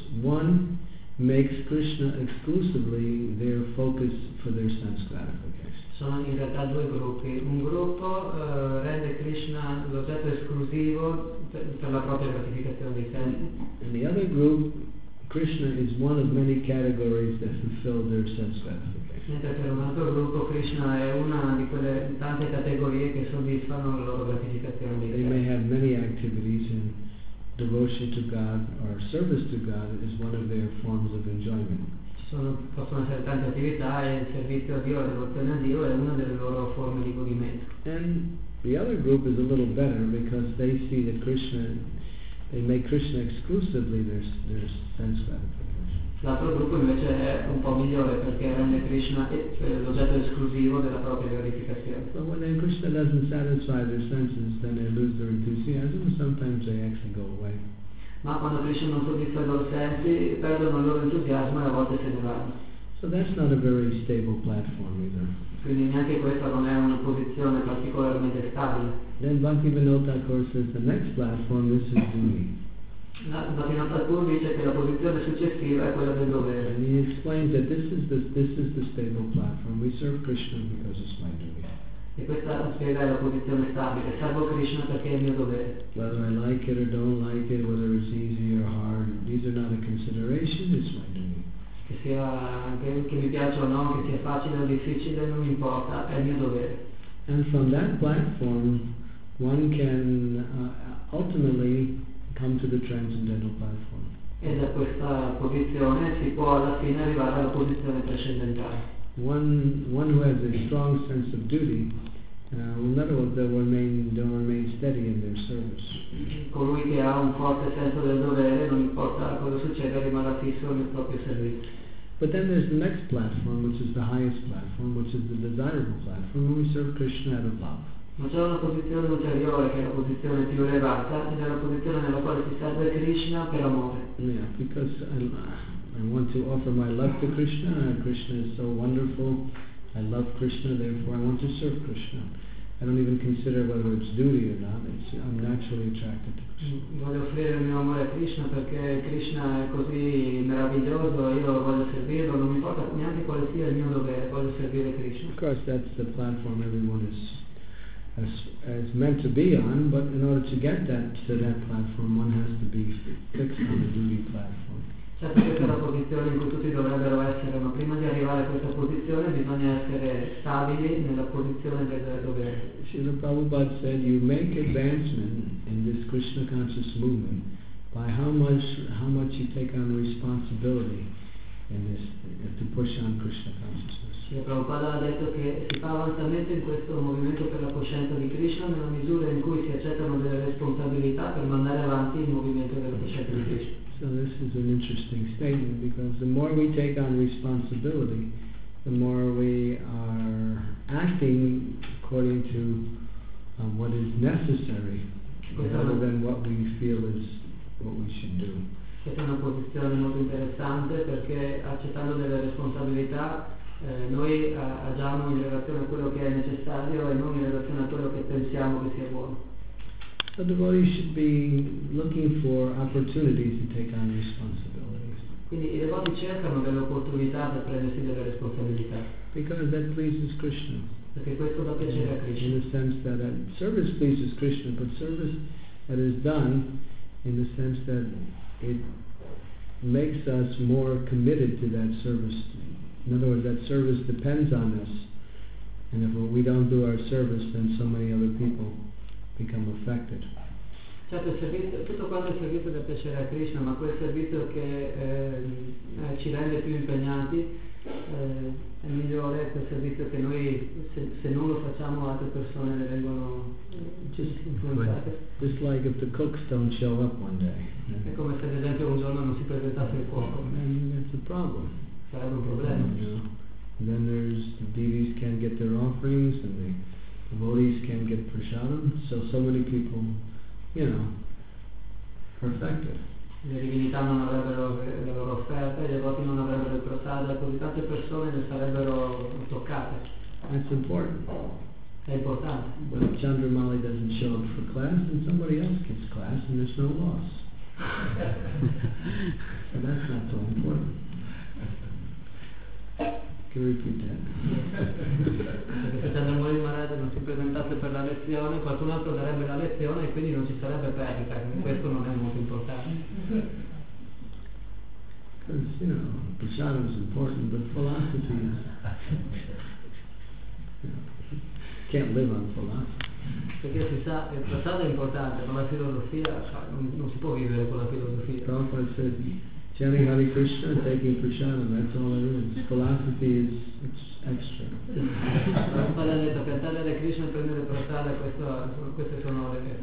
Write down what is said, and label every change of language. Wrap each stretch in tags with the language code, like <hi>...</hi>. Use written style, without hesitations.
<en>One makes Krishna exclusively their focus for their sense gratification.</en> <it>Sono in realtà due gruppi. Un gruppo rende Krishna l'oggetto esclusivo per la propria gratificazione dei sensi.</it> <en>And the other group, Krishna is one of many categories that fulfill their sense gratification.</en> <it>Mentre per un altro gruppo Krishna è una di quelle tante categorie che soddisfano la loro gratificazione dei sensi.</it> <en>They may have many activities and devotion to God or service to God is one of their forms of enjoyment.</en> <it>Possono essere tante attività e il servizio a Dio, la devozione a Dio è una delle loro forme di godimento.</it> <en>And the other group is a little better because they see that Krishna, they make Krishna exclusively their sense gratification.</en> <it>L'altro gruppo invece è un po' migliore perché rende Krishna l'oggetto esclusivo della propria glorificazione.</it> <en>So when Krishna doesn't satisfy their senses, then they lose their enthusiasm and sometimes they actually go away.</en> <it>Ma quando Krishna non soddisfa i loro sensi, perdono il loro entusiasmo e a volte se ne vanno.</it> <en>So that's not a very stable platform either.</en> <it>Quindi neanche questa non è una posizione particolarmente stabile.</it> <en>Then Bhaktivinoda Thakur says the next platform, this is duty.</en> <it>Bhaktivinoda Thakur dice che la posizione successiva è quella del dovere.</it> <en>And he explains that this is the stable platform. We serve Krishna because it's my duty.</en> <it>E questa spiega la posizione stabile, servo Krishna perché è il mio dovere.</it> <en>Whether I like it or don't like it, whether it's easy or hard, these are not a consideration, it's my duty.</en> <it>Che sia che mi piaccia o no, che sia facile o difficile, non importa, è il mio dovere.</it> <en>And from that platform, one can ultimately come to the transcendental platform.</en> <it>E da questa posizione si può alla fine arrivare alla posizione trascendentale.</it> <en>One who has a strong sense of duty will never remain steady in their service.</en> <it>Colui che ha un forte senso del dovere, non importa cosa succede, rimarrà fisso nel proprio servizio.</it> <en>But then there's the next platform, which is the highest platform, which is the desirable platform, when we serve Krishna out of love.</en> <it>Ma c'è una posizione ulteriore, che è la posizione più elevata, ed è la posizione nella quale si serve Krishna per amore.</it> <en>Yeah, because I want to offer my love to Krishna, and Krishna is so wonderful, I love Krishna, therefore I want to serve Krishna. I don't even consider whether it's duty or not, I'm naturally attracted to Krishna.</en> <it>Voglio offrire il mio amore a Krishna perché Krishna è così meraviglioso, io voglio servirlo, non mi importa neanche quale sia il mio dovere, voglio servire Krishna.</it> <en>Of course that's the platform everyone is meant to be on, but in order to get to that platform one has to be fixed on the duty platform.</en> <it>Certo, questa è la posizione in cui tutti dovrebbero essere, ma prima di arrivare a questa posizione bisogna essere stabili nella posizione del dovere.</it> <en>Srila Prabhupada said, you make advancement in this Krishna conscious movement by how much you take on responsibility in this to push on Krishna consciousness.</en> <it>Srila Prabhupada ha detto che si fa avanzamento in questo movimento per la coscienza di Krishna nella misura in cui si accettano delle responsabilità per mandare avanti il movimento della coscienza di Krishna.</it> <en>So this is an interesting statement because the more we take on responsibility, the more we are acting according to what is necessary rather than what we feel is what we should do.</en> <it>Questa è una posizione molto interessante perché accettando delle responsabilità noi agiamo in relazione a quello che è necessario e non in relazione a quello che pensiamo che sia buono.</it> <en>A devotee should be looking for opportunities to take on responsibilities.</en> <it>Quindi i devoti cercano delle opportunità per prendersi delle responsabilità.</it> <en>Because that pleases Krishna.</en> <it>Perché questo dà piacere a Krishna.</it> <en>In the sense that service pleases Krishna, but service that is done in the sense that it makes us more committed to that service. In other words, that service depends on us. And if we don't do our service, then so many other people become affected.</en> <it>Certo, tutto quanto è servizio da piacere a Krishna, ma quel servizio che ci rende più impegnati è migliore quel servizio che noi se non lo facciamo altre persone ne vengono influenzate.</it> <en>Just like if the cooks don't show up one day.</en> <it>È come se ad esempio un giorno non si presentasse il cuoco.</it> <en>And it's a problem.</en> <it>Sarebbe un problema.</it> <en>And then there's the devotees can't get their offerings and devotees can get prasadam, so many people, you know, perfected.</en> <it>Le divinità non avrebbero le loro offerte, i devoti non avrebbero il prasada, così tante persone ne sarebbero toccate.</it> <en>That's important.</en> <it>È importante.</it> <en>But if Chandramali doesn't show up for class, then somebody else gets class and there's no loss. So that's not so important. Can you repeat that?</en> <it>Se Chandramali Maharaj non si presentasse per la lezione, qualcun altro darebbe la lezione e quindi non ci sarebbe perdita. Questo non è molto importante.</it> <en>Because, you know, prasadam is important, but philosophy is... can't live on philosophy.</en> <it>Perché si sa, il prasadam è importante, ma la filosofia, non si può vivere con la filosofia.</it> <en>Prabhupada said, chanting Hare Krishna, taking prasadam, that's all it is. Philosophy is extra.</en> <it>Prabhupada ha detto, cantare Hare Krishna, prendere prasadam, questo è il suo onore.</it>